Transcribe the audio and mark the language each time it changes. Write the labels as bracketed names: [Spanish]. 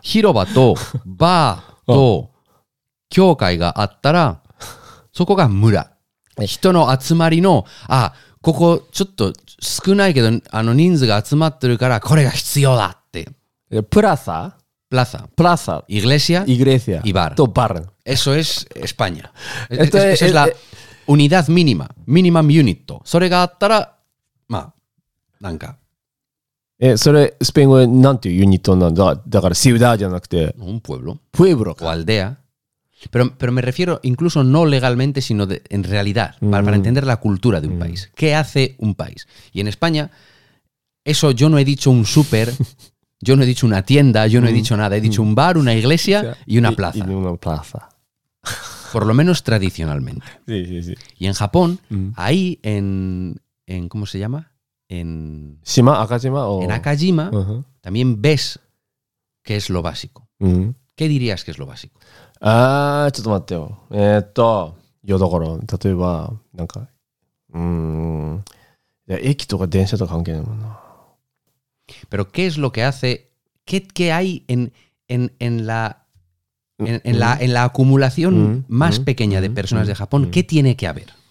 [Japanese] 広場とバーと教会があったらそこが村、人の集まりの、あここちょっと少ないけど人数が集まってるからこれが必要だって、 [Spanish] プラサ、プラサ、プラサ、イグレシア、イグレシア、イバル、とバル、 eso es España、 eso es la unidad mínima、 [English] minimum unit、 [Japanese] それがあったらまあなんか、それスペイン語でなんていうユニットなんだ、だからシウダーじゃなくて、 [Spanish] un pueblo、 pueblo か、 o aldea、pero me refiero incluso no legalmente sino de, en realidad、mm. para entender la cultura de un、mm. país、 qué hace un país、 y en España eso yo no he dicho un super、 yo no he dicho una tienda、 yo no、 mm. he dicho nada、 he dicho、 mm. un bar、 una iglesia、 y una plaza、 y una plaza、 por lo menos tradicionalmente、 sí, sí, sí. y en Japón、 mm. ahí en ¿cómo se llama? En Shima, Akajima, o... en Akajima、 uh-huh. también ves qué es lo básico、 mm. ¿qué dirías que es lo básico? [Japanese] あーちょっと待ってよ、よどころ例えばなんか、いや駅とか電車とか関係ないもんな。 [Spanish] Pero qué es lo que hace qué qué hay en la en, en la en la acumulación más pequeña de personas de Japón qué tiene que haber?